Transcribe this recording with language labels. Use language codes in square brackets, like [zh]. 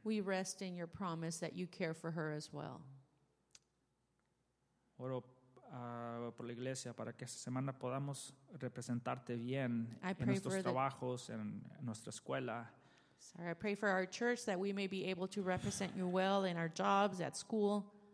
[en] We rest in your promise that you care for her as well. [es] Oro por la iglesia para que esta semana podamos representarte bien en nuestros trabajos, en nuestra escuela. [en] Sorry, I pray for our church that we may be able to represent you well in our jobs, at school.